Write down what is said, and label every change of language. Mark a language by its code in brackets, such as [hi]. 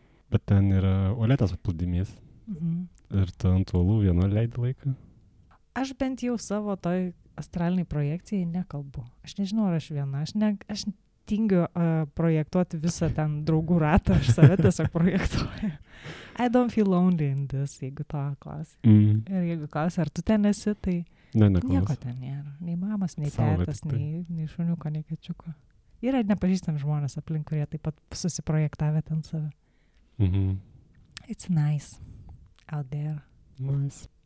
[lt] Bet ten yra uolėtas paplūdimys. Mhm. Ir tu ant uolų vieno leidi laiką. Aš bent jau savo toj astralinį projekciją nekalbu. Aš nežinau, ar aš viena. Aš tingiu projektuoti visą ten draugų ratą. Aš save tiesiog projektuoju. [en] I don't feel lonely in this, [lt] jeigu to klausi. Mm. Ir jeigu klausi, ar tu ten esi, tai nieko ten nėra. Nei mamas, nei tėtas, nei šuniuko, nei kačiuko. Yra nepažįstami žmonės aplink, kurie taip pat susiprojektavė ten save. Mm-hmm. [en] It's nice. Out there. Nice.